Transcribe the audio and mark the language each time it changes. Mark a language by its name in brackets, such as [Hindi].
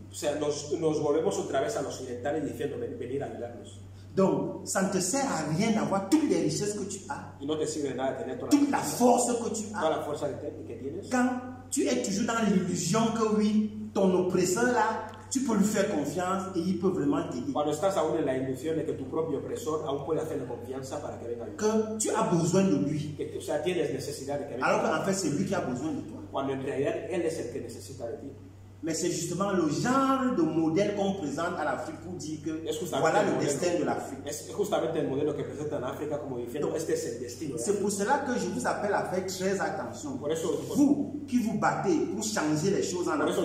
[Spanish] O sea, nos volvemos otra vez a los occidentales diciendo venir a ayudarnos. [French] Donc, ça ne te sert à rien d'avoir toutes les richesses que tu as, [Spanish] y no te sirve de nada tener [French] toute la force que tu as, [Spanish] toda la fuerza que tienes, [French] quand tu es toujours dans l'illusion que oui, ton oppresseur-là, tu peux lui faire confiance et il peut vraiment t'aider. [Spanish] Cuando estás aún en la ilusión de que tu propio opresor aún puede hacerle confianza para que venga. [French] Que tu as besoin de lui. [Spanish] Que tu, o sea, tienes necesidad de que venga. [French] Alors qu'en fait, c'est lui qui a besoin de toi. [Spanish] Cuando en realidad, él es el que necesita de ti. [French] Mais c'est justement le genre de modèle qu'on présente à l'Afrique pour dire que voilà le destin de l'Afrique. [Spanish] Es justamente el modelo que presenta en África como diciendo este es el destino. [French] C'est pour cela que je vous appelle à faire très attention. Vous qui vous battez pour changer les choses en Afrique.